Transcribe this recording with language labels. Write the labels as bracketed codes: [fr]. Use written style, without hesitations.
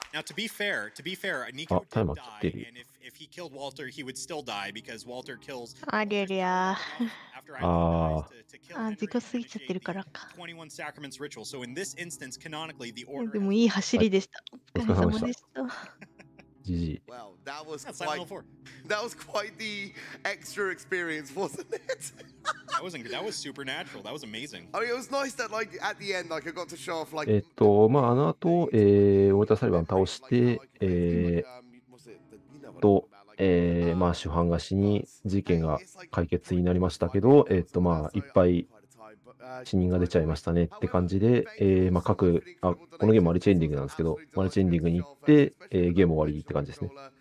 [en] Now, to be fair, Nico did die, and if he killed Walter, he would still die because Walter kills. I did, yeah. After I died to kill him, he would still die because Walter kills. 21 Sacraments ritual. So in this instance, canonically, the order. [ja] でもいい走りでした。お疲れ様でした。 [en] GG. Well, that was quite. That was quite the extra experience, wasn't it? That was supernatural. That was amazing. I mean, it was nice that, like, at the end, like, I got to show off, like. [ja] まああの後、ウォルター・サリバン倒して、まあ主犯が死に事件が解決になりましたけど、まあいっぱい死人が出ちゃいましたねって感じで、まあ各あこのゲームマルチエンディングなんですけど、マルチエンディングに行って、ゲーム終わりって感じですね。